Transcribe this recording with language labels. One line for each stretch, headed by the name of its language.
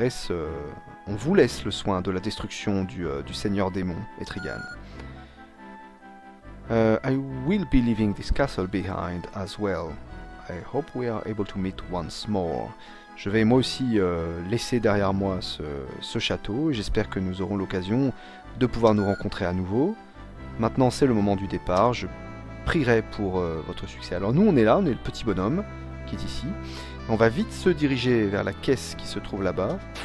French: On vous laisse le soin de la destruction du Seigneur Démon, Etrigan.
English: I will be leaving this castle behind as well. I hope we are able to meet once more.
French: Je vais moi aussi laisser derrière moi ce château. J'espère que nous aurons l'occasion de pouvoir nous rencontrer à nouveau. Maintenant, c'est le moment du départ. Je prierai pour votre succès. Alors nous, on est là. On est le petit bonhomme qui est ici. On va vite se diriger vers la caisse qui se trouve là-bas.